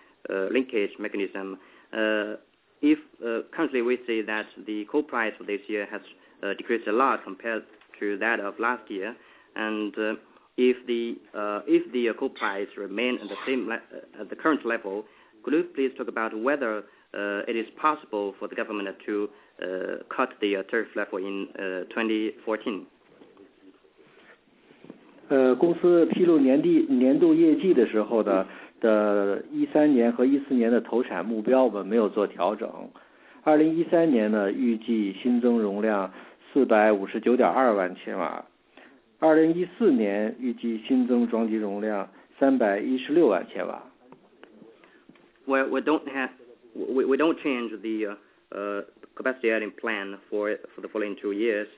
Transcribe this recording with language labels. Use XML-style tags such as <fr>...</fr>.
<en>Linkage mechanism. If currently we see that the coal price for this year has decreased a lot compared to that of last year, and if the coal price remain at the same at the current level, could you please talk about whether it is possible for the government to cut the tariff level in 2014?</en> <zh>公司披露年度业绩的时候呢。的13年和14年的投产目标，我们没有做调整。 2013年呢，预计新增容量459.2万千瓦；2014年预计新增装机容量316万千瓦。</zh> <en>Well, we don't change the capacity adding plan for the following 2 years.</en>